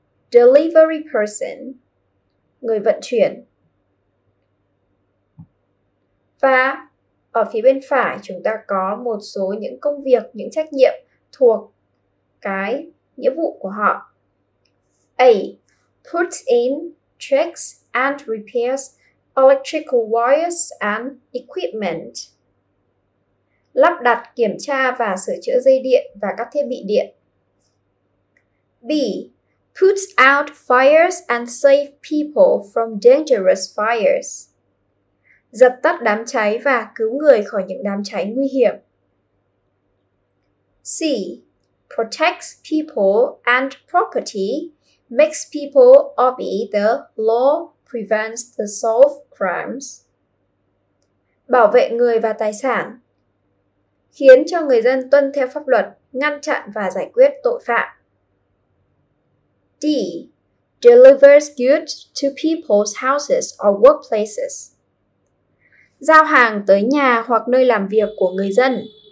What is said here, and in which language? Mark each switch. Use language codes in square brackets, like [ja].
[en] Delivery person. [vi] Người vận chuyển. Và ở phía bên phải chúng ta có một số những công việc, những trách nhiệm thuộc cái nghĩa vụ của họ. A. [en] Put in, checks and repairs electrical wires and equipment. [vi] Lắp đặt, kiểm tra và sửa chữa dây điện và các thiết bị điện. B. [en] Put out fires and save people from dangerous fires. [vi] Dập tắt đám cháy và cứu người khỏi những đám cháy nguy hiểm. C. [en] Protects people and property, makes people obey the law, prevents the solve crimes. [vi] Bảo vệ người và tài sản. Khiến cho người dân tuân theo pháp luật, ngăn chặn và giải quyết tội phạm. D. [en] Delivers goods to people's houses or workplaces. [vi] Giao hàng tới nhà hoặc nơi làm việc của người dân.